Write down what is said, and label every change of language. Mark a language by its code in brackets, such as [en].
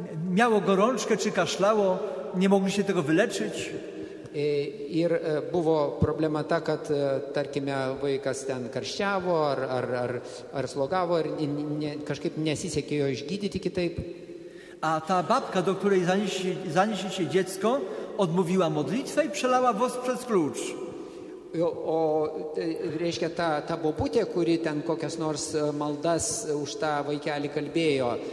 [pl] Miało gorączkę czy kaszlało, nie mogliście tego wyleczyć. [lt] Ir buvo problema ta, kad tarkime vaikas ten karščiavo ar slogavo ir kažkaip nesisekė jo išgydyti kitaip. [pl] A ta babka, do której zanieśli się dziecko, odmówiła modlitwę i przelała wos przez klucz. [lt] O reiškia ta bobutė, kuri ten kokias nors maldas už tą vaikelį kalbėjo,